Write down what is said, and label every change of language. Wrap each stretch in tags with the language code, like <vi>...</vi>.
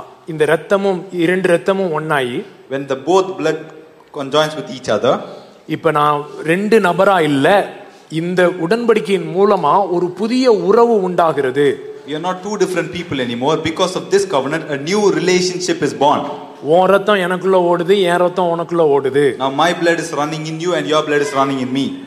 <ta>இந்த ரத்தமும் இரண்டு ரத்தமும் ஒன்னாயி,</ta> <en>when the both blood conjoins with each other,</en> <ta>இப்ப நான் ரெண்டு நபரா இல்ல, இந்த உடன்படிக்கையின் மூலமா ஒரு புதிய உறவு உண்டாகிறது.</ta> <en>We are not two different people anymore. Because of this covenant, a new relationship is born.</en> <ta>உன் ரத்தம் எனக்குள்ள ஓடுது, என் ரத்தம் உனக்குள்ள ஓடுது.</ta> <en>Now my blood is running in you and your blood is running in me.</en>